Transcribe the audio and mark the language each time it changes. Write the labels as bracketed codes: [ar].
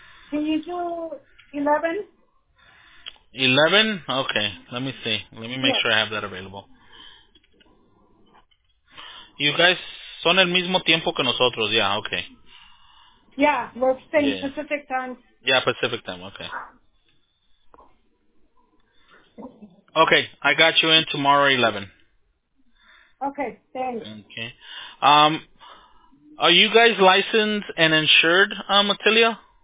[en] tomorrow they call you anytime. Okay, let's do... can you do 11? 11? Okay. Let me see. Let me make sure I have that available. You guys [es] son el mismo tiempo que nosotros. [en] Yeah, okay. Yeah, we're staying Pacific time. Yeah, Pacific time. Okay. Okay. I got you in tomorrow 11. Okay. Thanks. Okay. Are you guys licensed and insured, Attilia?